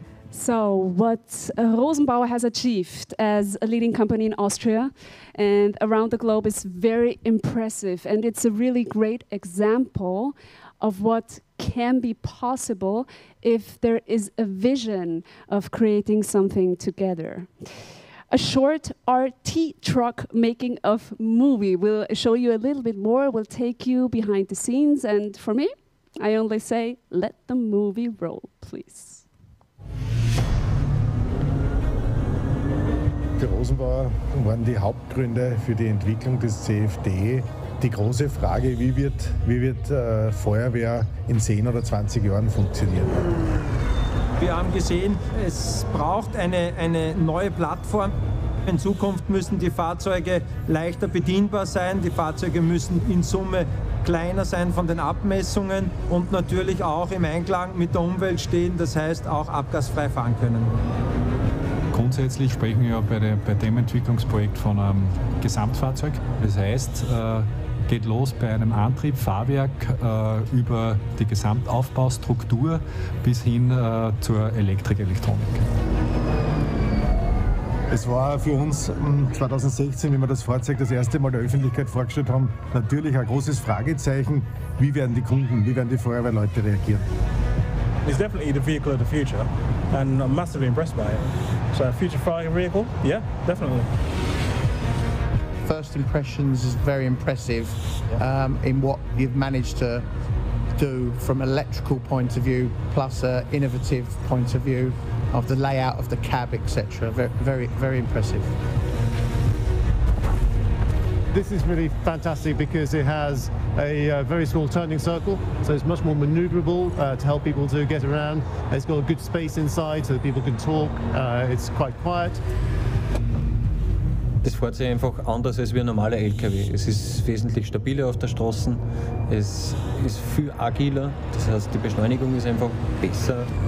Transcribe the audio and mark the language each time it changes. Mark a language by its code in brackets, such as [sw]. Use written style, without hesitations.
[en] So what Rosenbauer has achieved as a leading company in Austria and around the globe is very impressive, and it's a really great example of what can be possible if there is a vision of creating something together. A short RT truck making of movie will show you a little bit more, will take you behind the scenes, and for me, I only say, let the movie roll, please. [de] Die Rosenbauer waren die Hauptgründe für die Entwicklung des CFD. Die große Frage, wie wird Feuerwehr in 10 oder 20 Jahren funktionieren? Wir haben gesehen, es braucht eine neue Plattform. In Zukunft müssen die Fahrzeuge leichter bedienbar sein. Die Fahrzeuge müssen in Summe kleiner sein von den Abmessungen und natürlich auch im Einklang mit der Umwelt stehen, das heißt auch abgasfrei fahren können. Grundsätzlich sprechen wir ja bei dem Entwicklungsprojekt von einem Gesamtfahrzeug. Das heißt, geht los bei einem Antrieb, Fahrwerk, über die Gesamtaufbaustruktur bis hin zur Elektrik, Elektronik. Es war für uns 2016, wie wir das Fahrzeug das erste Mal der Öffentlichkeit vorgestellt haben, natürlich ein großes Fragezeichen, wie werden die Kunden, wie werden die Feuerwehrleute reagieren. [en] It's definitely the vehicle of the future and I'm massively impressed by it. So a future fire vehicle, yeah, definitely. First impressions is very impressive in what you've managed to do from electrical point of view plus an innovative point of view of the layout of the cab, etc. Very impressive. This is really fantastic because it has a very small turning circle, so it's much more maneuverable to help people to get around. It's got a good space inside so that people can talk. It's quite quiet. [de] Das fährt sich einfach anders als wie ein normaler LKW. Es ist wesentlich stabiler auf der Straße, es ist viel agiler, das heißt, die Beschleunigung ist einfach besser.